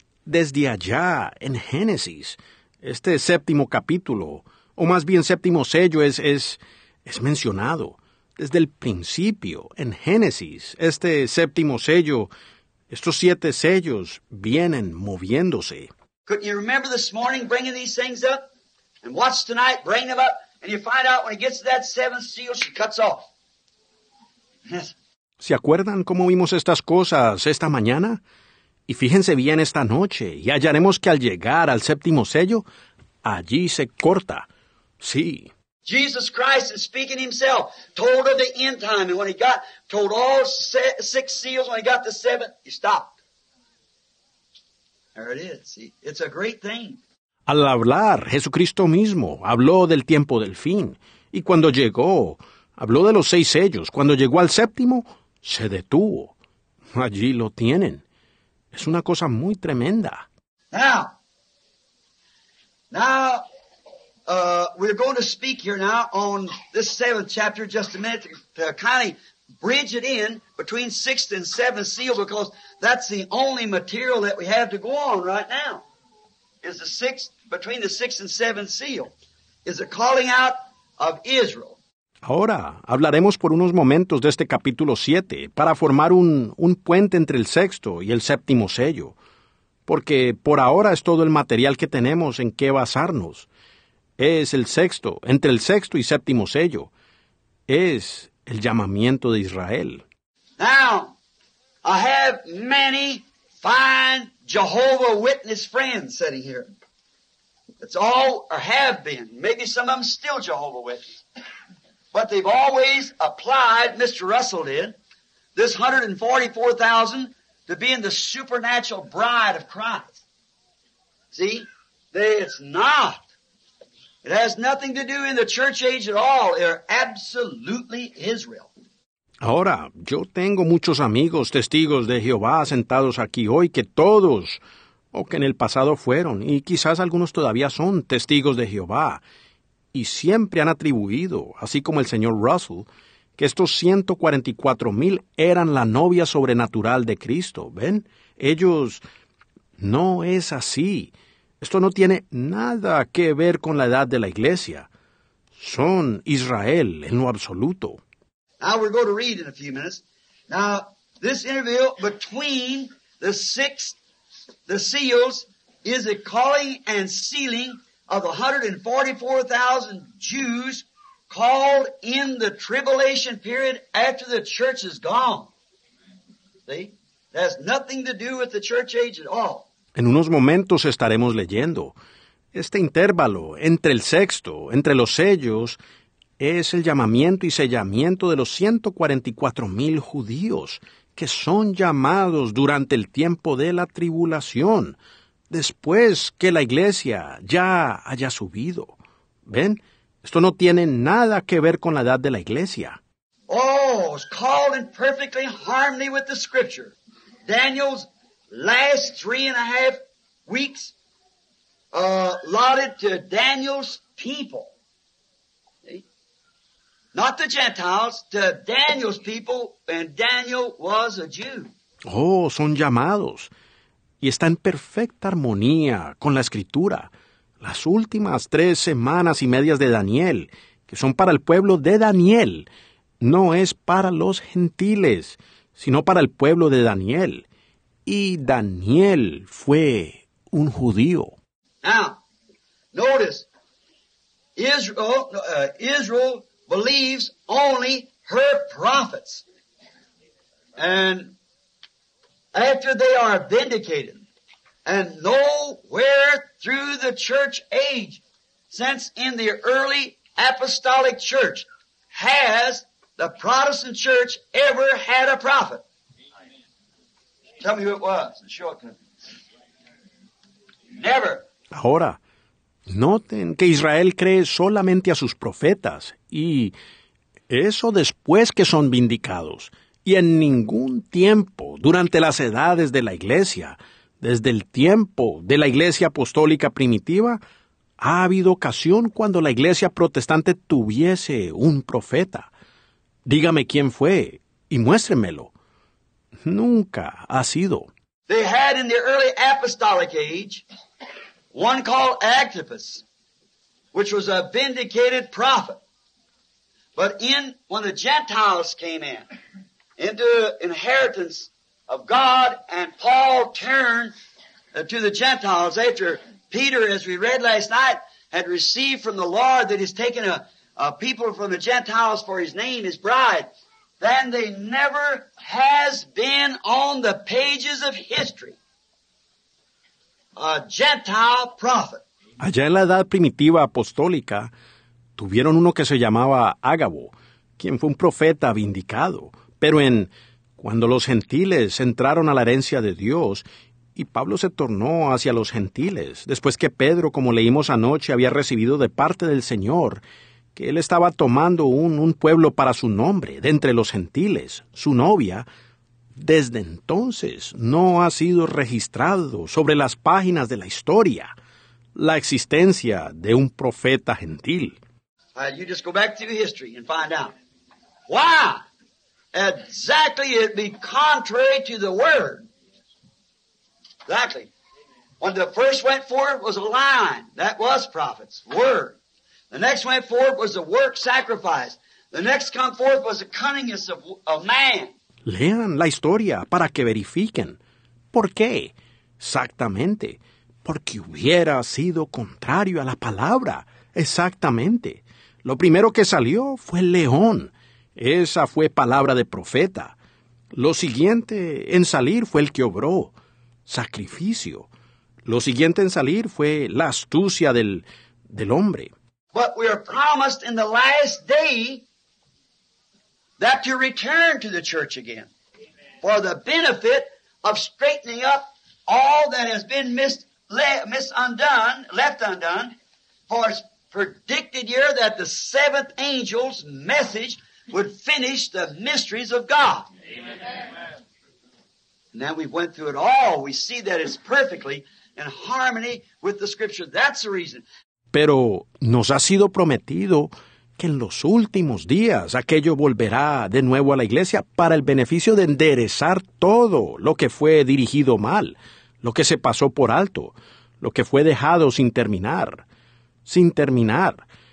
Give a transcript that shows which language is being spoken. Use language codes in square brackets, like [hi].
[es] Desde allá, en Génesis, este séptimo capítulo, o más bien séptimo sello, es mencionado. Desde el principio, en Génesis, este séptimo sello, estos siete sellos, vienen moviéndose. [en] Couldn't you remember this morning bringing these things up? And watch tonight, bring them up, and you find out when it gets to that seventh seal, she cuts off. Yes. [es] ¿Se acuerdan cómo vimos estas cosas esta mañana? Y fíjense bien esta noche, y hallaremos que al llegar al séptimo sello, allí se corta. Sí. [en] Jesus Christ is speaking himself, told of the end time, and when he got, told all six seals, when he got the seventh, he stopped. There it is. See, it's a great thing. [es] Al hablar, Jesucristo mismo habló del tiempo del fin, y cuando llegó, habló de los seis sellos. Cuando llegó al séptimo, se detuvo. Allí lo tienen. Es una cosa muy tremenda. [en] Now, we're going to speak here now on this seventh chapter just a minute to kind of bridge it in between sixth and seventh seal, because that's the only material that we have to go on right now. Is the sixth, between the sixth and seventh seal, is the calling out of Israel. [es] Ahora hablaremos por unos momentos de este capítulo 7 para formar un puente entre el sexto y el séptimo sello, porque por ahora es todo el material que tenemos en qué basarnos. Es el sexto, entre el sexto y séptimo sello, es el llamamiento de Israel. [en] Now, I have many fine Jehovah Witness friends sitting here. It's all, or have been, maybe some of them still Jehovah Witness. But they've always applied, Mr. Russell did, this 144,000 to being the supernatural bride of Christ. See? It's not. It has nothing to do in the church age at all. They're absolutely Israel. [es] Ahora, yo tengo muchos amigos, testigos de Jehová sentados aquí hoy, que todos, o que en el pasado fueron, y quizás algunos todavía son testigos de Jehová, y siempre han atribuido, así como el señor Russell, que estos 144,000 eran la novia sobrenatural de Cristo. ¿Ven? Ellos, no es así. Esto no tiene nada que ver con la edad de la iglesia. Son Israel en lo absoluto. [en] Now we're going to read in a few minutes. Now, this interview between the sixth, the seals, is a calling and sealing of 144,000 Jews called in the tribulation period after the church is gone. See? It has nothing to do with the church age at all. [es] En unos momentos estaremos leyendo. Este intervalo entre el sexto, entre los sellos, es el llamamiento y sellamiento de los 144,000 judíos que son llamados durante el tiempo de la tribulación, después que la iglesia ya haya subido. ¿Ven? Esto no tiene nada que ver con la edad de la iglesia. [en] Oh, it's called in perfectly harmony with the scripture. Daniel's last 3.5 weeks allotted to Daniel's people. not the Gentiles, to Daniel's people, and Daniel was a Jew. [es] Oh, son llamados. Y está en perfecta armonía con la Escritura. Las últimas tres semanas y medias de Daniel, que son para el pueblo de Daniel, no es para los gentiles, sino para el pueblo de Daniel. Y Daniel fue un judío. [en] Now, notice, Israel believes only her prophets. And after they are vindicated, and nowhere through the church age, since in the early apostolic church, has the Protestant church ever had a prophet. Amen. Tell me who it was. Never. [es] Ahora, noten que Israel cree solamente a sus profetas, y eso después que son vindicados, y en ningún tiempo durante las edades de la iglesia, desde el tiempo de la Iglesia Apostólica Primitiva, ha habido ocasión cuando la Iglesia Protestante tuviese un profeta. Dígame quién fue y muéstremelo. Nunca ha sido. [en] They had in the early apostolic age one called Agrippus, which was a vindicated prophet. But in when the Gentiles came in, into inheritance of God, and Paul turned to the Gentiles after Peter, as we read last night, had received from the Lord that he's taken a people from the Gentiles for his name, his bride, then they never has been on the pages of history a Gentile prophet. [es] Allá en la edad primitiva apostólica, tuvieron uno que se llamaba Ágabo, quien fue un profeta vindicado, pero en cuando los gentiles entraron a la herencia de Dios, y Pablo se tornó hacia los gentiles, después que Pedro, como leímos anoche, había recibido de parte del Señor que él estaba tomando un pueblo para su nombre, de entre los gentiles, su novia, desde entonces no ha sido registrado sobre las páginas de la historia la existencia de un profeta gentil. [en] You just go back to history and find out. Why? Exactly, it'd be contrary to the word. Exactly. When the first went forth was a line. That was prophets, word. The next went forth was a work sacrifice. The next come forth was the cunningness of a man. [es] Lean la historia para que verifiquen. ¿Por qué? Exactamente. Porque hubiera sido contrario a la palabra. Exactamente. Lo primero que salió fue el león. Esa fue palabra de profeta. Lo siguiente en salir fue el que obró, sacrificio. Lo siguiente en salir fue la astucia del hombre. [en] But we are promised in the last day that to return to the church again for the benefit of straightening up all that has been left undone, for it's predicted here that the seventh angel's message would finish the mysteries of God. Amen. And then we went through it all. We see that it's perfectly in harmony with the Scripture. That's the reason. [es] Pero nos ha sido prometido que en los últimos días aquello volverá de nuevo a la iglesia para el beneficio de enderezar todo lo que fue dirigido mal, lo que se pasó por alto, lo que fue dejado sin terminar, sin terminar.